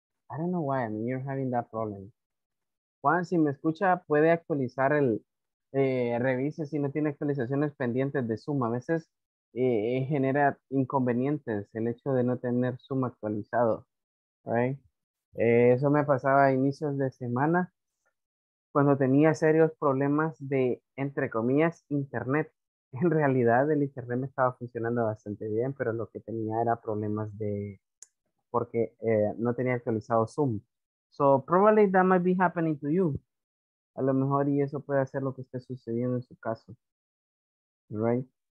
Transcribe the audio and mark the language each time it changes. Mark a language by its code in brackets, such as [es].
[en] I don't know why, I mean, you're having that problem. [es] Juan, si me escucha, puede actualizar el, revise si no tiene actualizaciones pendientes de Zoom. A veces genera inconvenientes el hecho de no tener Zoom actualizado, right? Eso me pasaba a inicios de semana cuando tenía serios problemas de, entre comillas, internet. En realidad, el internet me estaba funcionando bastante bien, pero lo que tenía era problemas de... porque no tenía actualizado Zoom. [en] So probably that might be happening to you. [es] A lo mejor y eso puede ser lo que esté sucediendo en su caso. Right?